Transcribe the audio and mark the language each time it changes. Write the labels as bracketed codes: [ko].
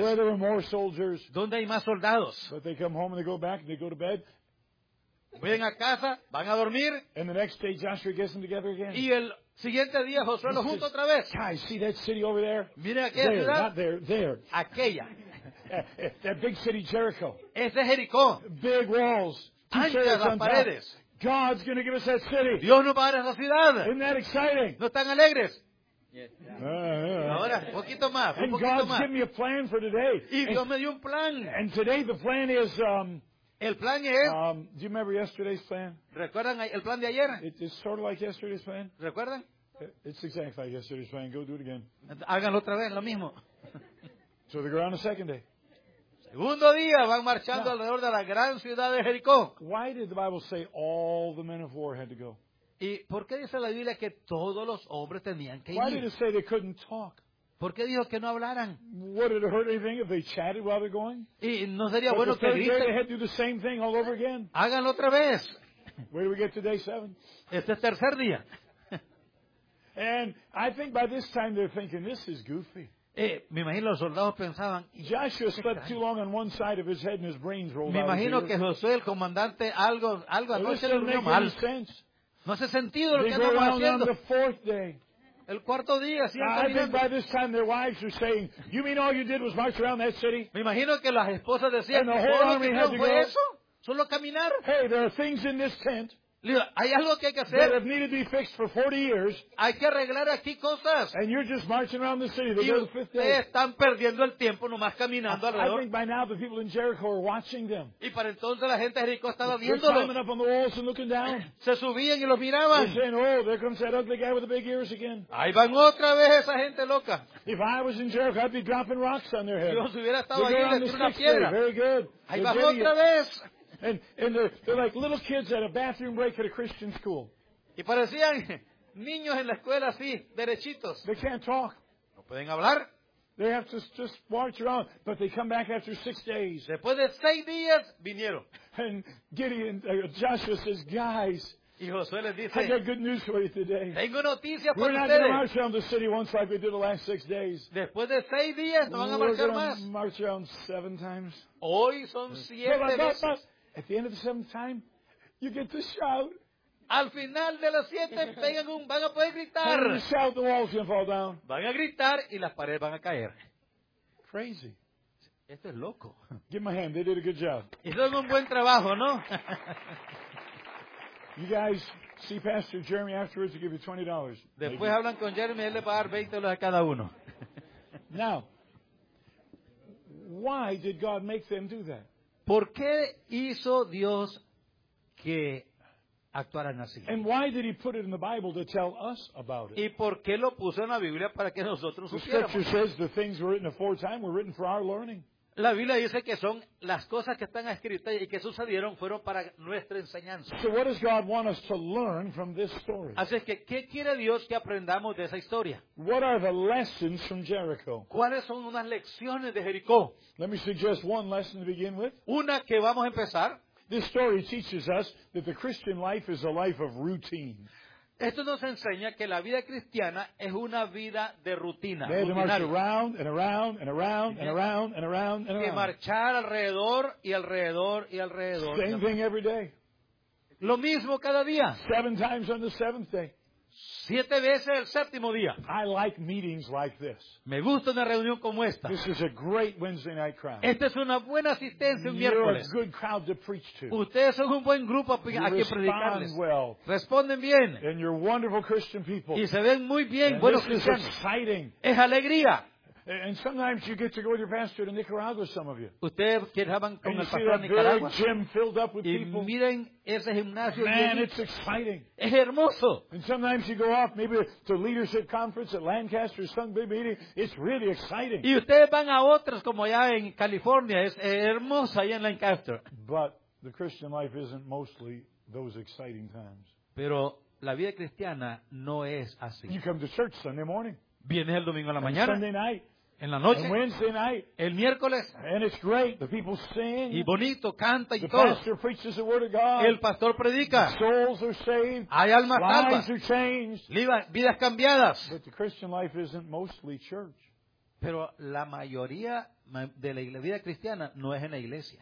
[en] Where there were more soldiers, [es] ¿dónde hay más soldados? [en] But they come home and they go back and they go to bed. [es] Vienen a casa, van a dormir. [en] And the next day Joshua gets them together again. [es] Y el siguiente día Josué los junta otra vez. [en] Guys, see that city over there? [es] Miren aquella [en] there, [es] ciudad. [en] Not there, there. [es] Aquella. [en] That big city Jericho. [es] Ese es Jericó. [en] Big walls. [es] Anchas las paredes. [en] God's going to give us that city. [es] Dios nos va a dar esa ciudad. [en] Isn't that exciting? [es] ¿No están alegres? Ahora, un poquito más. [en] And God's given me a plan for today. [es] Y Dios me dio un plan. [en] And today the plan is... [es] El plan es, [en] do you remember yesterday's plan? [es] ¿Recuerdan el plan de ayer? [en] It's sort of like yesterday's plan. [es] ¿Recuerdan? [en] It's exactly like yesterday's plan. Go do it again. [es] Háganlo otra vez, lo mismo. [en] So they go on the second day. [es] Segundo día, van marchando [en] now, [es] alrededor de la gran ciudad de Jericó. [en] Why did the Bible say all the men of war had to go? [es] ¿Y por qué dice la Biblia que todos los hombres tenían que ir? [en] Why did it say they couldn't talk? [es] ¿Por qué dijo que no hablaran? [en] Would it hurt anything if they chatted while they're going? [es] ¿Y no sería bueno que griten? [en] But the third day they had to do the same thing all over again. [es] Háganlo otra vez. [en] Where do we get to day seven? [es] Este es tercer día. [en] And I think by this time they're thinking, this is goofy. [es] Me imagino los soldados pensaban. [en] Joshua slept too long on one side of his head and his brains rolled out. [es] Me imagino que Josué, el comandante, algo anoche le durmió mal. No hace sentido lo que estamos haciendo. [en] On the fourth day. [es] El cuarto día, [en] I think by this time their wives were saying, "You mean all you did was march around that city?" [es] Me imagino que las esposas decían, "¿Todo lo que hicieron fue eso? Solo caminar?" [en] Hey, there are things in this tent. [es] Hay algo que hay que hacer. [en] That have needed to be fixed for 40 years. [es] Hay que arreglar aquí cosas. [en] And you're just marching around the city. They go the fifth day. [es] Están perdiendo el tiempo nomás caminando alrededor. [en] I think by now the people in Jericho are watching them. [es] Y para entonces la gente de Jericó estaba viéndolo. [en] They're climbing up on the walls and looking down. [es] Se subían y los miraban. [en] They're saying, "Oh, there comes that ugly guy with the big ears again." [es] Ahí van otra vez esa gente loca. [en] If I was in Jericho, I'd be dropping rocks on their head. [es] Dios hubiera estado ahí, le tiró una piedra. [en] Very good. [es] Ahí van otra vez. [en] And they're like little kids at a bathroom break at a Christian school. [es] Y parecían niños en la escuela así, derechitos. [en] They can't talk. [es] No pueden hablar. [en] They have to just march around, but they come back after 6 days. [es] Después de 6 días, vinieron. [en] And Gideon, Joshua says, guys, [es] y Josué les dice, [en] I got good news for you today. [es] Tengo noticias [en] we're not [es] ustedes. [en] Going to march around the city once like we did the last 6 days. [es] Después de 6 días, no van a marchar [en] we're [es] más. [en] March around 7 times. [es] Hoy son 7 veces. [en] At the end of the seventh time, you get to shout. [es] Al final de las siete, van a poder gritar. [en] When you shout, the walls can fall down. [es] Van a gritar y las paredes van a caer. [en] Crazy. [es] Esto es loco. [en] Give them a hand. They did a good job. [es] Hicieron un buen trabajo, ¿no? [en] You guys see Pastor Jeremy afterwards to give you $20. [es] Después [en] maybe. [es] Hablan con Jeremy, él le va a dar $20 a cada uno. [en] Now, why did God make them do that? [es] ¿Por qué hizo Dios que actuaran así? [en] And why did he put it in the Bible to tell us about it? [es] ¿Y por qué lo puso en la Biblia para que nosotros supiéramos? [en] The Scripture says the things were written aforetime were written for our learning. [es] La Biblia dice que son las cosas que están escritas y que sucedieron fueron para nuestra enseñanza. [en] So what does God want us to learn from this story? [es] Así es que, ¿qué quiere Dios que aprendamos de esa historia? [en] What are the lessons from Jericho? [es] ¿Cuáles son unas lecciones de Jericó? [en] Let me suggest one lesson to begin with. [es] Una que vamos a empezar. [en] This story teaches us that the Christian life is a life of routine. [es] Esto nos enseña que la vida cristiana es una vida de rutina. [en] They had to march around and around and around and around and around and around. [es] Y marchar alrededor y alrededor y alrededor. [en] Same thing every day. [es] Lo mismo cada día. [en] 7 times on the seventh day. [es] 7 veces el séptimo día. [en] I like meetings like this. [es] Me gusta una reunión como esta. [en] This is a great Wednesday night crowd. [es] Esta es una buena asistencia un [en] You're [es] miércoles. [en] A good crowd to preach to. [es] Ustedes son un buen grupo a quien predicarles. [en] Respond well. [es] Responden bien. [en] And you're wonderful Christian people. [es] Y se ven muy bien, [en] and [es] buenos [en] this [es] cristianos. [en] Is exciting. [es] Es alegría. [en] And sometimes you get to go with your pastor to Nicaragua, some of you. [es] Ustedes que estaban con el pastor en Nicaragua. [en] And you see that big gym filled up with [es] y [en] people. [es] Y miren ese gimnasio. [en] Man, it's exciting. [es] Es hermoso. [en] And sometimes you go off maybe to leadership conference at Lancaster or some big meeting. It's really exciting. [es] Y ustedes van a otras como allá en California. Es hermoso allá en Lancaster. [en] But the Christian life isn't mostly those exciting times. [es] Pero la vida cristiana no es así. [en] You come to church Sunday morning. [es] Vienes el domingo a la mañana. [en] Sunday night. [es] en la noche, [en] and Wednesday night, [es] el miércoles, [en] and it's great. The people sing, [es] y bonito, canta y [en] the [es] todo. [en] Pastor preaches the word of God. [es] El pastor predica. [en] The souls are saved. [es] Hay almas salvas. [en] Lives are changed. [es] Vidas cambiadas. [en] But the Christian life isn't mostly church. [es] Pero la mayoría de la vida cristiana no es en la iglesia.